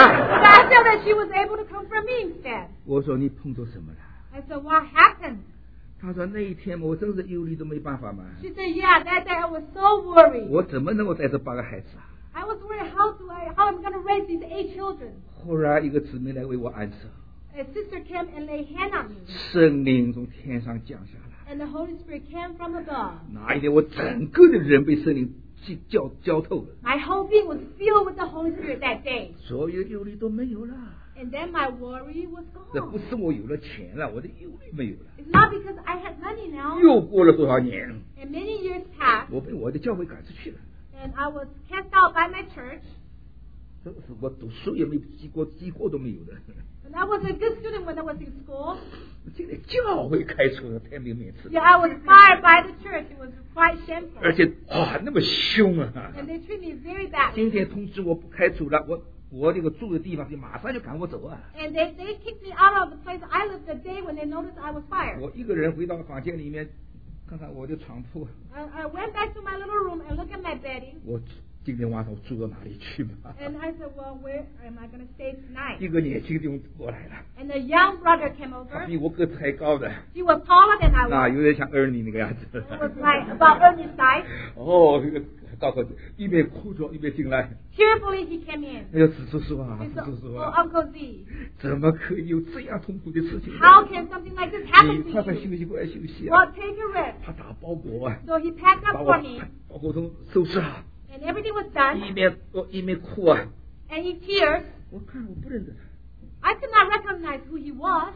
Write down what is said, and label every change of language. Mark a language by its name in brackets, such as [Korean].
[English] But I feel that she was able to comfort me instead. [Chinese] 我说你碰到什么了？ [English] I said, what happened? [Chinese] 他说那一天我真是忧虑都没办法嘛。 [English] She said, yeah, that day I was so worried. [Chinese] 我怎么能够带着八个孩子啊？ [English] I was worried how I'm going to raise these eight children. [Chinese] 忽然一个姊妹来为我安置。 [English] A sister came and laid hand on me. [Chinese] 圣灵从天上降下来。 [English] And the Holy Spirit came from above. [Chinese] 那一天我整个的人被圣灵浇透了。 [English] My whole being was filled with the Holy Spirit that day. [Chinese] 所有忧虑都没有了。 [English] And then my worry was gone. 这 [Chinese] 不是我有了钱了，我的忧虑没有了。 [English] It's not because I had money now. [Chinese] 又过了多少年？ [English] And many years passed. [Chinese] 我被我的教会赶出去了。 [English] And I was cast out by my church. [Chinese] 这是我读书也没积过，积货都没有的。 [English] And I was a good student when I was in school. [Chinese] 竟然教会开除了，太没面子。 [English] Yeah, I was fired by the church. It was quite shameful. [Chinese] 而且哇，那么凶啊！ [English] And they treat me very badly. [Chinese] 今天通知我不开除了，我这个住的地方，就马上就赶我走啊！ [English] And they kicked me out of the place I lived the day when they noticed I was fired. [Chinese] 我一个人回到房间里面，看看我的床铺。 [English] I went back to my little room and look at my bedding. [Chinese] 我今天晚上住到哪里去嘛？ [English] And I said, well, where am I going to stay tonight? [Chinese] 一个年轻弟兄过来了。 [English] And a young brother came over. [Chinese] 他比我个子还高的。 [English] He was taller than I was. [Chinese] 那有点像 Ernie 那个样子。 [English] It was like about Ernie's size. 哦。 [Chinese] 告诉你，一边哭着一边进来。 [English] Tearfully he came in. [Chinese] 哎呦，子叔叔啊，子叔叔啊 [English] ，Uncle Z， [Chinese] 怎么可以有这样痛苦的事情 [English] ？How can something like this happen to you？ [Chinese] 你快快休息，快休息啊 [English] ！Well, take a rest. [Chinese] 他打包裹啊 [English] ，So he packed up for me. [Chinese] 包裹都收拾好。 [English] And everything was done. [Chinese] 一边哭啊 [English] ，And he tears. [Chinese] 我看我不认得 [English] 他。I could not recognize who he was.